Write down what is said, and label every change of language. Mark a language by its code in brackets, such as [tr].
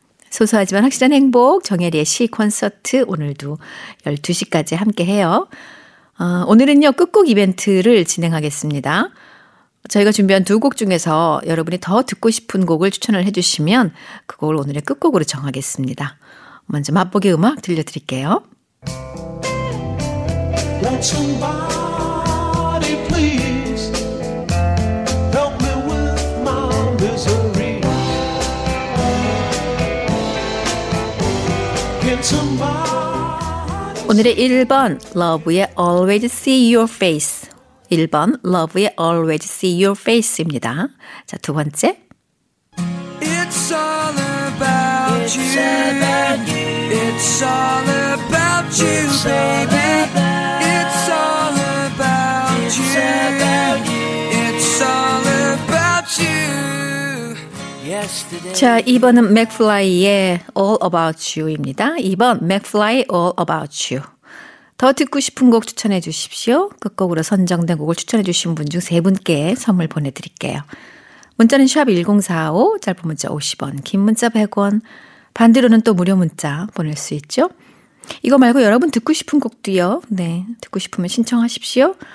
[ko] 소소하지만 확실한 행복, 정혜리의 시 콘서트 오늘도 12시까지 함께해요. 오늘은요, 끝곡 이벤트를 진행하겠습니다. 저희가 준비한 두 곡 중에서 여러분이 더 듣고 싶은 곡을 추천을 해주시면 그걸 오늘의 끝곡으로 정하겠습니다. 먼저 맛보기 음악 들려드릴게요. [en] Let somebody please help me with my misery. [ko] Somebody. 오늘의 1번 러브의 Always See Your Face. 1번 러브의 Always See Your Face입니다. 자, 두 번째. [en] It's all about you. It's all about you. It's all about you. It's all about you, it's all baby. About it's all about it's you. About you. It's all about you. Yesterday. [ko] 자, 2번은 맥플라이의 All About You입니다. 2번 맥플라이 All About You. 더 듣고 싶은 곡 추천해 주십시오. 끝곡으로 선정된 곡을 추천해 주신 분 중 세 분께 선물 보내드릴게요. 문자는 샵 1045, 짧은 문자 50원, 긴 문자 100원, 반대로는 또 무료 문자 보낼 수 있죠. 이거 말고 여러분 듣고 싶은 곡도요. 네, 듣고 싶으면 신청하십시오.